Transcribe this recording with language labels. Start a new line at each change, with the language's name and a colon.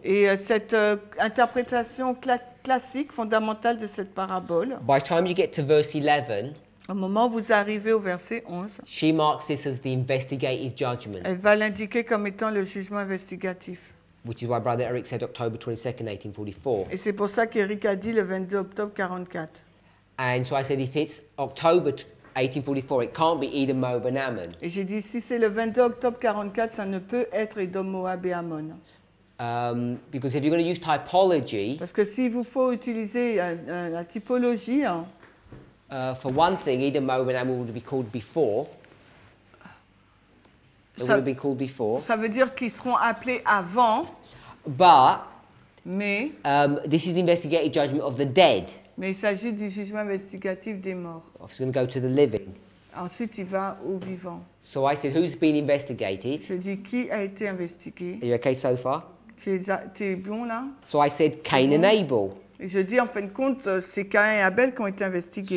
French: Et cette interprétation classique fondamentale de cette parabole.
English: By the time you get to verse 11.
French: Au moment où vous arrivez au verset 11.
English: She marks this as the investigative judgment.
French: Elle va l'indiquer comme étant le jugement investigatif.
English: Which is why Brother Eric said October 22nd, 1844.
French: Et c'est pour ça qu'Eric a dit le 22 octobre 44.
English: And so I said if it's October 1844, it can't be Edom, Moab, and Ammon.
French: Et j'ai dit si c'est le 22 octobre 44, ça ne peut être Edom, Moab et Ammon.
English: Because if you're going to use typology.
French: Parce que si vous faut utiliser la typologie.
English: For one thing, Edom, Moab, and Ammon would be called before. They would be called before.
French: Ça veut dire qu'ils seront appelés avant.
English: But.
French: Mais.
English: This is the investigative judgment of the dead.
French: Mais il s'agit du jugement investigatif des morts.
English: It's going to go to the living.
French: Ensuite, il va aux vivants.
English: So I said, who's been investigated?
French: Je dis, qui a été investigué?
English: Are you okay so far?
French: T'es bon là?
English: So I said, Cain and Abel.
French: Et je dis, en fin de compte, c'est Cain et Abel qui ont été investigués.